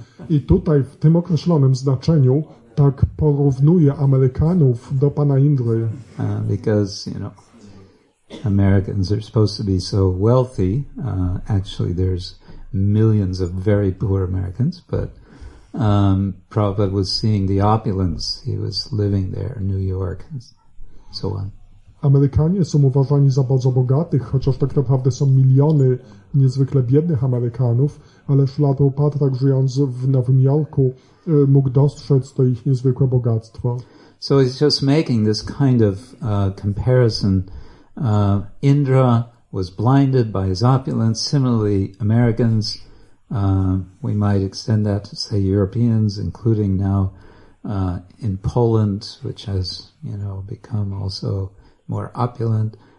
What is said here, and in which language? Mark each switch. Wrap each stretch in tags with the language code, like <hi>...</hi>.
<pl>I tutaj, w tym określonym znaczeniu, tak porównuje Amerykanów do pana Indry.</pl> <en>Because, you know, Americans are supposed to be so wealthy. Actually, there's millions of very poor Americans, but Prabhupada was seeing the opulence. He was living there in New York and so on.</en> <pl>Amerykanie są uważani za bardzo bogatych, chociaż tak naprawdę są miliony niezwykle biednych Amerykanów, ale Śla Prabhupada, tak żyjąc w Nowym Jorku, mógł dostrzec to ich niezwykłe bogactwo.</pl> <en>So he's just making this kind of comparison. Indra was blinded by his opulence. Similarly, Americans, we might extend that to say Europeans, including now in Poland, which has, you know, become also more opulent.</en>